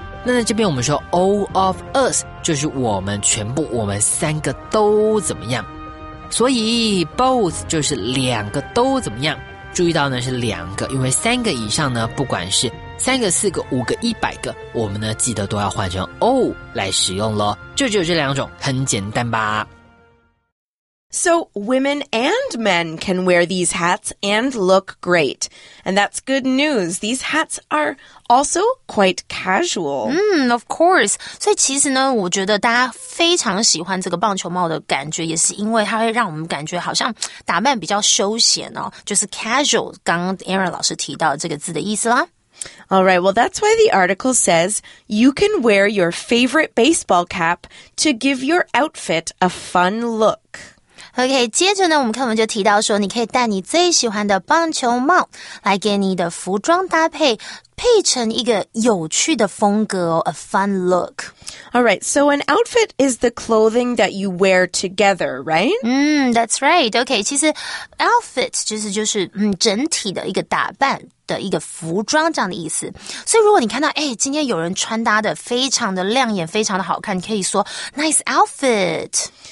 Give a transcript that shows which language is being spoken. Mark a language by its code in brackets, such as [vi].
[zh] 那在这边我们说 [en] all of us [zh] 就是我们全部，我们三个都怎么样？所以 both 就是两个都怎么样？注意到呢是两个，因为三个以上呢，不管是三个、四个、五个、一百个，我们呢记得都要换成 all 来使用咯。就只有这两种，很简单吧。 [en] So women and men can wear these hats and look great. And that's good news. These hats are also quite casual. Of course. [zh] 所以其实呢，我觉得大家非常喜欢这个棒球帽的感觉，也是因为它会让我们感觉好像打扮比较休闲哦，就是 casual， 刚刚 Aaron 老师提到这个字的意思啦。 [en] All right, well, that's why the article says you can wear your favorite baseball cap to give your outfit a fun look. [zh] OK, 接着呢我们课文就提到说你可以戴你最喜欢的棒球帽来给你的服装搭配配成一个有趣的风格哦 [en] a fun look. Alright, so an outfit is the clothing that you wear together, right? That's right. OK, [zh] 其实 outfit 就是整体的一个打扮的一个服装这样的意思。所以如果你看到哎，今天有人穿搭的非常的亮眼非常的好看你可以说 [en] nice outfit.